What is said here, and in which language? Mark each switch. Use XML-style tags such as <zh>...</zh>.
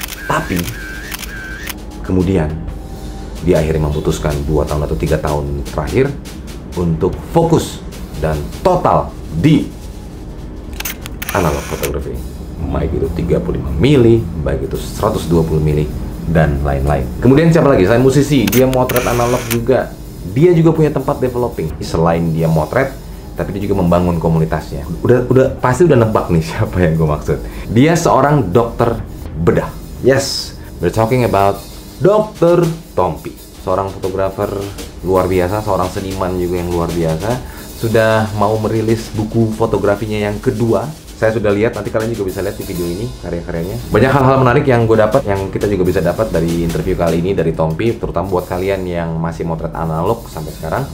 <id>Tapi kemudian dia akhirnya memutuskan 2 tahun atau 3 tahun terakhir untuk fokus dan total di analog photography, baik itu 35 mili, baik itu 120 mili dan lain-lain. Kemudian siapa lagi? Selain musisi, dia motret analog juga. Dia juga punya tempat developing. Selain dia motret, tapi dia juga membangun komunitasnya. Udah pasti udah nebak nih siapa yang gue maksud. Dia seorang dokter bedah.</id> <en>Yes, we're talking about Dr.</en> <id>Tompi. Seorang fotografer luar biasa, seorang seniman juga yang luar biasa. Sudah mau merilis buku fotografinya yang kedua. Saya sudah lihat, nanti kalian juga bisa lihat di video ini karya-karyanya. Banyak hal-hal menarik yang gue dapat, yang kita juga bisa dapat dari interview kali ini dari Tompi. Terutama buat kalian yang masih motret analog sampai sekarang.</id>